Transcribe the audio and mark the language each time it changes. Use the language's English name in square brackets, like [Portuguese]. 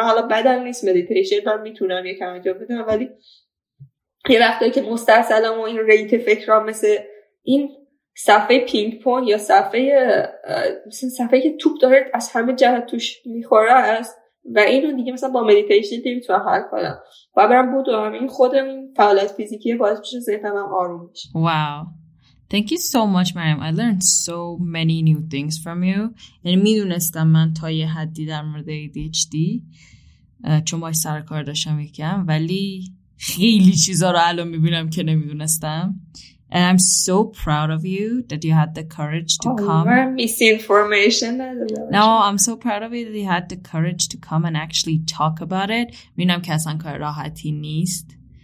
[Persian] من حالا بدم نیست مدیتیشن، من میتونم یکم انجام بدم، ولی یه وقتایی که مستحصلم و این ریت فکرام مثل این صفحه پینگ پونگ یا صفحه که توپ داره از همه جهت توش میخوره است و اینو دیگه مثلا با مدیتیشن نمیتونم حل کنم، باید برم بودم. این خودم فعالیت فیزیکیه باعث میشه ذهنم آروم بشه. [English] Wow Thank you so much, Mariam. I learned so many new things from you. [Persian] And می دونستم من تا یه حدی در مورد ADHD چون باش سرکار داشتم یکم، ولی خیلی چیزا رو الان می بینم که نمی دونستم. [English] And I'm so proud of you that you had the courage to come. Oh, misinformation. No, I'm so proud of you that you had the courage to come and actually talk about it. [Persian] می دونم که اصلا کار راحتی نیست.